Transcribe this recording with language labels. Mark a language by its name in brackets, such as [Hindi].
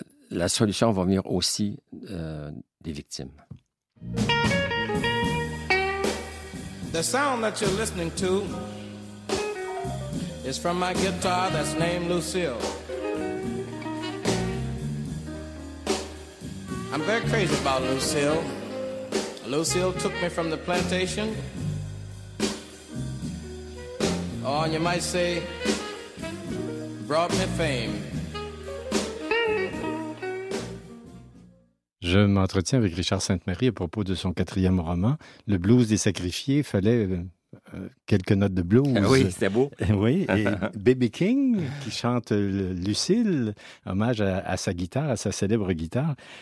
[French] La solution va venir aussi des victimes. [English] The sound that you're listening to is from my guitar that's named Lucille. I'm very crazy about Lucille. Lucille took me from the plantation. Oh, and you might say, brought me fame. [French] Je m'entretiens avec Richard Sainte-Marie à propos de son quatrième roman, Le blues des sacrifiés. Fallait quelques notes de blues. Oui, c'était beau. Oui, et B.B. King, qui chante Lucille, hommage à sa guitare, à sa célèbre guitare.